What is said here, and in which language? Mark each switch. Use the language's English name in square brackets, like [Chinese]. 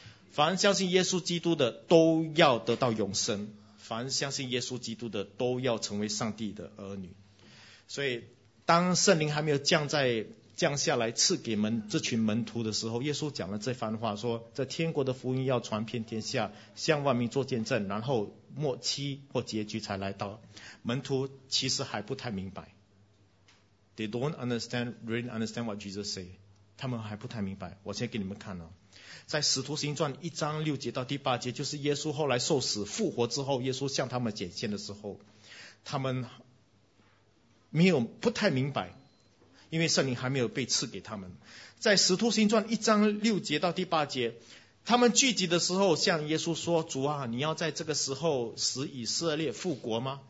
[Chinese] 凡相信耶稣基督的都要得到永生，凡相信耶稣基督的都要成为上帝的儿女。所以当圣灵还没有降在降下来赐给门这群门徒的时候，耶稣讲了这番话，说在天国的福音要传遍天下，向万民做见证，然后末期或结局才来到。门徒其实还不太明白， [English] They don't understand, really understand what Jesus say. [Chinese] 他们还不太明白。我先给你们看了，在使徒行传一章六节到第八节，就是耶稣后来受死复活之后，耶稣向他们显现的时候，他们没有不太明白，因为圣灵还没有被赐给他们。在使徒行传一章六节到第八节，他们聚集的时候向耶稣说，主啊，你要在这个时候使以色列复国吗？